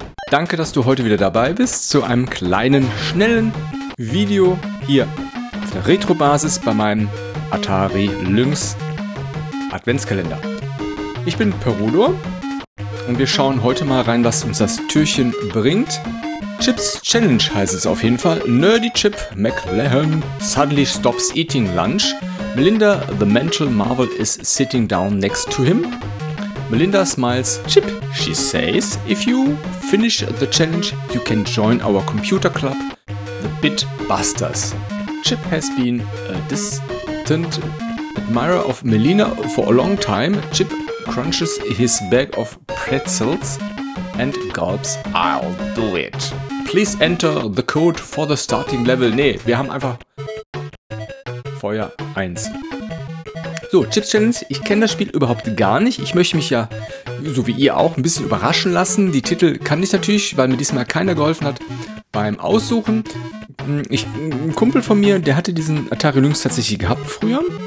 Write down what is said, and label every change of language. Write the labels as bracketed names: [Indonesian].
[German] Danke, dass du heute wieder dabei bist zu einem kleinen, schnellen Video hier auf der Retrobasis bei meinem Atari Lynx Adventskalender. Ich bin Perudo und wir schauen heute mal rein, was uns das Türchen bringt. Chips Challenge heißt es auf jeden Fall. [English] Nerdy Chip McLehem suddenly stops eating lunch. Melinda, the mental marvel, is sitting down next to him. Melinda smiles. Chip, she says, if you finish the challenge, you can join our computer club, the Bitbusters. Chip has been a distant admirer of Melina for a long time. Chip crunches his bag of pretzels and gulps. I'll do it. Please enter the code for the starting level. [German] Nee, wir haben einfach Feuer 1. So, Chips Challenge, ich kenne das Spiel überhaupt gar nicht. Ich möchte mich ja, so wie ihr auch, ein bisschen überraschen lassen. Die Titel kann ich natürlich, weil mir diesmal keiner geholfen hat beim Aussuchen. Ein Kumpel von mir, der hatte diesen Atari Lynx tatsächlich gehabt früher.